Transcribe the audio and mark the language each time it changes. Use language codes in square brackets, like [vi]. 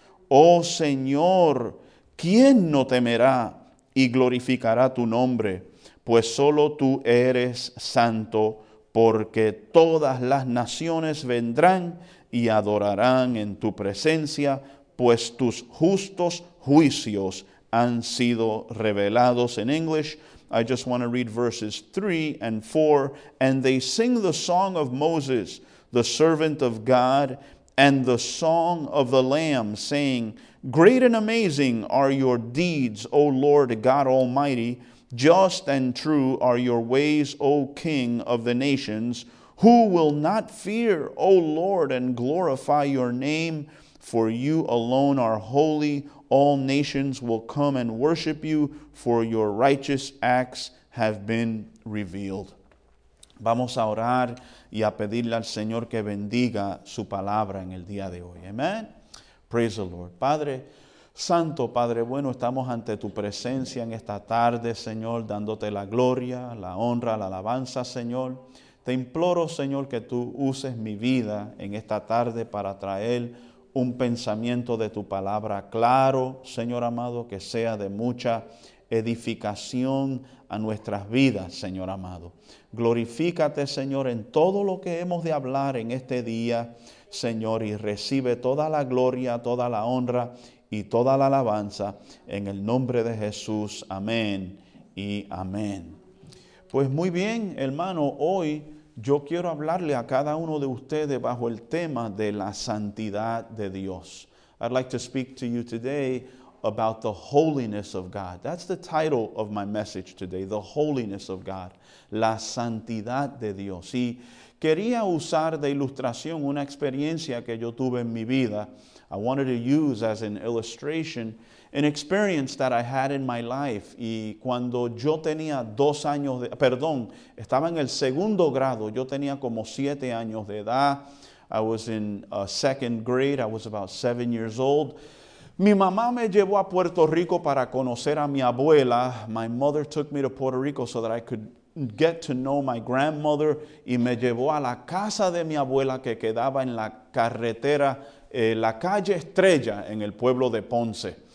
[es] Oh Señor, ¿quién no temerá y glorificará tu nombre? Pues solo tú eres santo, porque todas las naciones vendrán y adorarán en tu presencia, pues tus justos juicios han sido revelados. [en] In English, I just want to read verses 3 and 4. And they sing the song of Moses, the servant of God, and the song of the Lamb, saying, great and amazing are your deeds, O Lord God Almighty. Just and true are your ways, O King of the nations. Who will not fear, O Lord, and glorify your name? For you alone are holy. All nations will come and worship you, for your righteous acts have been revealed. [es] Vamos a orar y a pedirle al Señor que bendiga su palabra en el día de hoy. Amen. [en] Praise the Lord. [es] Padre Santo, Padre bueno, estamos ante tu presencia en esta tarde, Señor, dándote la gloria, la honra, la alabanza, Señor. Te imploro, Señor, que tú uses mi vida en esta tarde para traer un pensamiento de tu palabra claro, Señor amado, que sea de mucha edificación a nuestras vidas, Señor amado. Glorifícate, Señor, en todo lo que hemos de hablar en este día, Señor, y recibe toda la gloria, toda la honra y toda la alabanza en el nombre de Jesús. Amén y amén. Pues muy bien, hermano, hoy yo quiero hablarle a cada uno de ustedes bajo el tema de la santidad de Dios. [en] I'd like to speak to you today about the holiness of God. That's the title of my message today, the holiness of God. [es] La santidad de Dios. Y quería usar de ilustración una experiencia que yo tuve en mi vida. [en] I wanted to use as an illustration an experience that I had in my life. [es] Y cuando yo tenía dos años de, perdón, estaba en el segundo grado, yo tenía como siete años de edad. [en] I was in second grade, I was about 7 years old. [es] Mi mamá me llevó a Puerto Rico para conocer a mi abuela. [en] My mother took me to Puerto Rico so that I could get to know my grandmother, [es] y me llevó a la casa de mi abuela que quedaba en la carretera, la calle Estrella, en el pueblo de Ponce.